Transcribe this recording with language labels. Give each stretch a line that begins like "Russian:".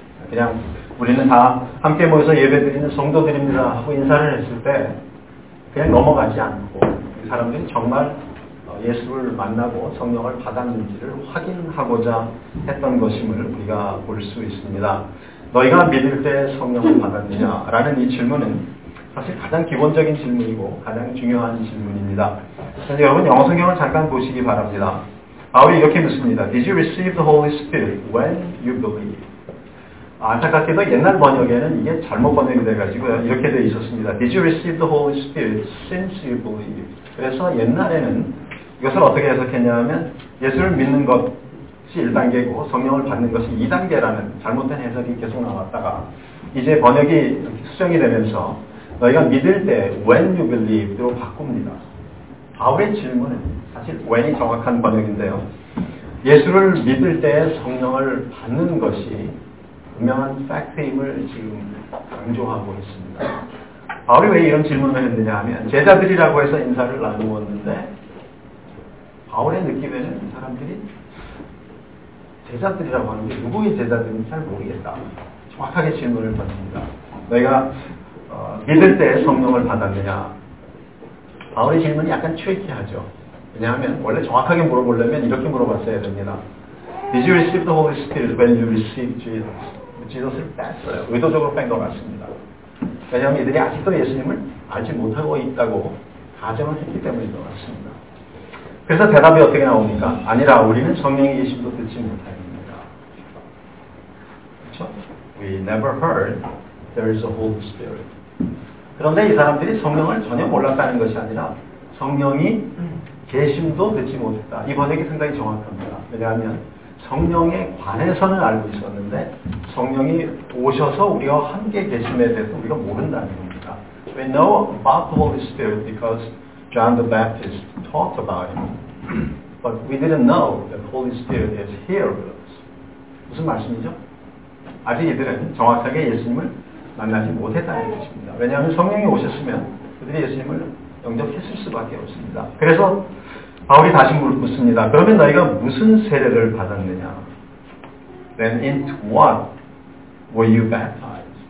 Korean: 그냥 우리는 다 함께 모여서 예배드리는 성도들입니다 하고 인사를 했을 때 그냥 넘어가지 않고 그 사람들이 정말 예수를 만나고 성령을 받았는지를 확인하고자 했던 것임을 우리가 볼 수 있습니다. 너희가 믿을 때 성령을 받았느냐? 라는 이 질문은 사실 가장 기본적인 질문이고 가장 중요한 질문입니다. 그래서 여러분 영어성경을 잠깐 보시기 바랍니다. 바울이 이렇게 묻습니다.
English: Did you receive the Holy Spirit when you believe?
Korean: 안타깝게도 옛날 번역에는 이게 잘못 번역이 돼가지고 이렇게 되어 있었습니다.
English: Did you receive the Holy Spirit since you believe?
Korean: 그래서 옛날에는 이것을 어떻게 해석했냐면 예수를 믿는 것이 1단계고 성령을 받는 것이 2단계라는 잘못된 해석이 계속 나왔다가 이제 번역이 수정이 되면서 너희가 믿을 때
English: when you believe
Korean: 로 바꿉니다. 바울의 질문은 사실 when이 정확한 번역인데요. 예수를 믿을 때 성령을 받는 것이 분명한 팩트임을 지금 강조하고 있습니다. 바울이 왜 이런 질문을 했느냐 하면 제자들이라고 해서 인사를 나누었는데 바울의 느낌에는 이 사람들이 제자들이라고 하는 게 누구의 제자들인지 잘 모르겠다. 정확하게 질문을 던집니다. 너희가 믿을 때 성령을 받았느냐? 바울의 질문이 약간 트리키하죠. 왜냐하면 원래 정확하게 물어보려면 이렇게 물어봤어야 됩니다.
English: Did you receive the Holy Spirit when you received Jesus?
Korean: 지도스를 뺐어요. 의도적으로 뺀 것 같습니다. 왜냐하면 이들이 아직도 예수님을 알지 못하고 있다고 가정을 했기 때문인 것 같습니다. 그래서 대답이 어떻게 나옵니까? 아니라 우리는 성령의 계심도 듣지 못합니다. 그렇죠?
English: We never heard there is a Holy Spirit.
Korean: 그런데 이 사람들이 성령을 전혀 몰랐다는 것이 아니라 성령이 계심도 듣지 못했다. 이 번역이 상당히 정확합니다. 왜냐하면 성령에 관해서는 알고 있었는데 성령이 오셔서 우리와 함께 계심에 대해서 우리가 모른다는 겁니다.
English: We know about the Holy Spirit because John the Baptist talked about him. But we didn't know that the Holy Spirit is here with us.
Korean: 무슨 말씀이죠? 아직 이들은 정확하게 예수님을 만나지 못했다는 것입니다. 왜냐하면 성령이 오셨으면 그들이 예수님을 영접했을 수밖에 없습니다. 그래서 바울이 다시 묻습니다. 그러면 너희가 무슨 세례를 받았느냐?
English: Then into what were you baptized?